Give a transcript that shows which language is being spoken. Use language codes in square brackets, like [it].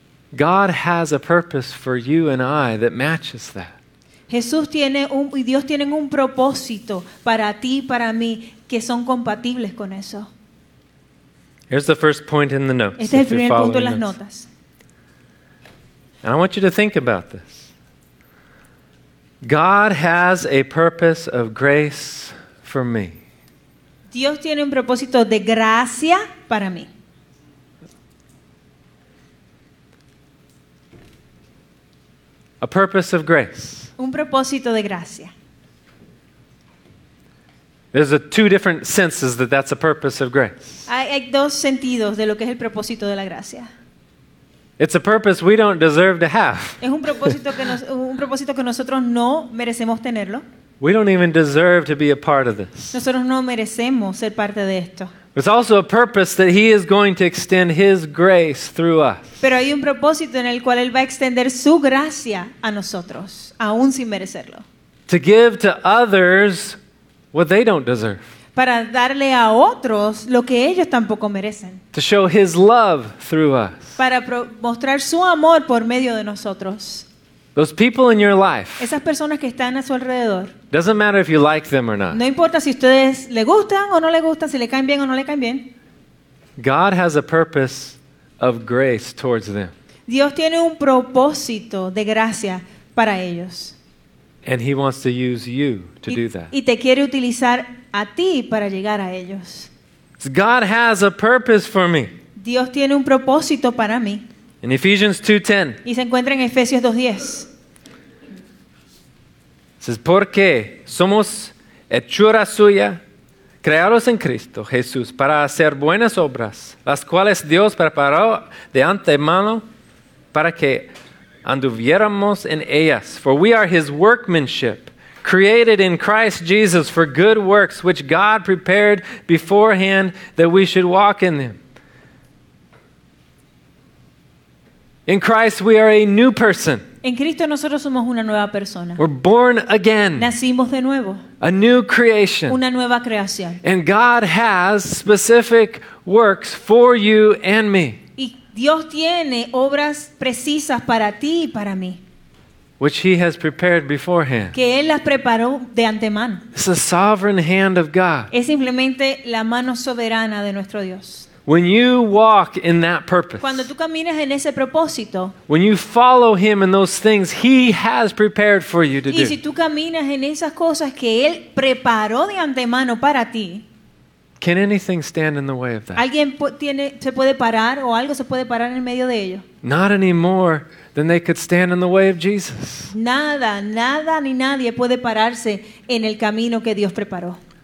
[en] God has a purpose for you and I that matches that. [es] Jesús tiene un, y Dios tienen un propósito para ti y para mí que son compatibles con eso. [en] Here's the first point in the notes. [es] Este es el primer punto en las notas. [en] And I want you to think about this. God has a purpose of grace for me. [es] Dios tiene un propósito de gracia para mí. [en] A purpose of grace. [es] Un propósito de gracia. [en] There's two different senses that that's a purpose of grace. [es] Hay dos sentidos de lo que es el propósito de la gracia. [en] It's a purpose we don't deserve to have. [es] Es un propósito que nosotros no merecemos tenerlo. [en] We don't even deserve to be a part of this. [es] Nosotros no merecemos ser parte de esto. [en] It's also a purpose that he is going to extend his grace through us. [es] Pero hay un propósito en el cual él va a extender su gracia a nosotros, aún sin merecerlo. [en] To give to others what they don't deserve. [es] Para darle a otros lo que ellos tampoco merecen. [en] To show his love through us. [es] Para mostrar su amor por medio de nosotros. [en] Those people in your life. [es] Esas personas que están a su alrededor. [en] Doesn't matter if you like them or not. [es] No importa si ustedes le gustan o no le gustan, si le caen bien o no le caen bien. [en] God has a purpose of grace towards them. [es] Dios tiene un propósito de gracia para ellos. [en] And he wants to use you to do that. [es] Y te quiere utilizar a ti para llegar a ellos. [en] God has a purpose for me. [es] Dios tiene un propósito para mí. [en] In Ephesians 2:10. [es] Y se encuentra en Efesios 2:10. Dice, porque somos hechura suya, creados en Cristo Jesús para hacer buenas obras, las cuales Dios preparó de antemano para que anduviéramos en ellas. [en] For we are his workmanship, created in Christ Jesus for good works, which God prepared beforehand that we should walk in them. In Christ we are a new person. [es] En Cristo nosotros somos una nueva persona. [en] We're born again. [es] Nacimos de nuevo. [en] A new creation. [es] Una nueva creación. [en] And God has specific works for you and me. [es] Y Dios tiene obras precisas para ti y para mí. [en] Which he has prepared beforehand. [es] Que él las preparó de antemano. [en] It's the sovereign hand of God. [es] Es simplemente la mano soberana de nuestro Dios. [en] When you walk in that purpose, [es] cuando tú caminas en ese propósito, [en] when you follow him in those things he has prepared for you to [es] y [en] do, [es] y si tú caminas en esas cosas que él preparó de antemano para ti, [en] can anything stand in the way of that? [es] ¿Alguien tiene, se puede parar o algo se puede parar en medio de ello? [en] Not anymore than they could stand in the way of Jesus. [es] Nada, nada ni nadie puede pararse en el camino que Dios preparó.